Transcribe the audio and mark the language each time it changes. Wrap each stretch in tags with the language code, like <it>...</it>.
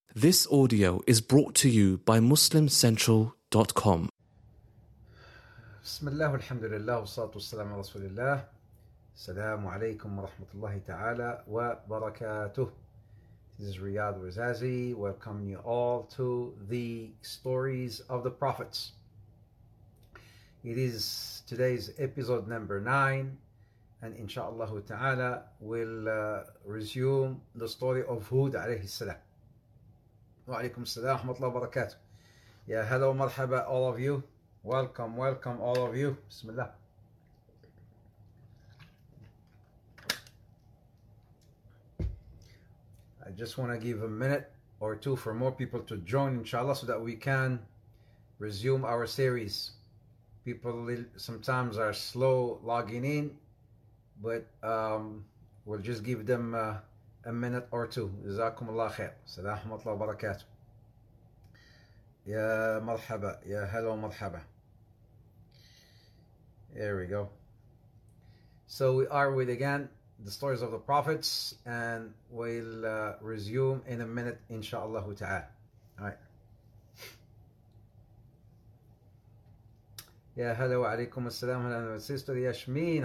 <en>This audio is brought to you by MuslimCentral.com.</en> <ar>بسم الله والحمد لله والصلاة والسلام على رسول الله. السلام عليكم ورحمة الله تعالى وبركاته.</ar> <en>This is Riyad Razazi welcoming you all to the stories of the prophets. It is today's episode number 9, and inshallah ta'ala we'll resume the story of Hud alayhi salam.</en> <ar>وعليكم السلام ورحمة الله وبركاته. يا هلا ومرحبا</ar> <en>all of you. Welcome, welcome all of you.</en> <ar>بسم الله.</ar> <en>I just want to give a minute or two for more people to join inshallah so that we can resume our series. People sometimes are slow logging in, but we'll just give them a minute or two.</en> <ar>جزاكم الله خير. السلام ورحمة الله وبركاته. يا مرحبا يا هلا ومرحبا.</ar> <en>There we go. So we are with again the stories of the prophets, and we'll resume in a minute inshallah ta'ala. All right.</en> <ar>يا هلا وعليكم السلام هلا سيستر ياشمين.</ar>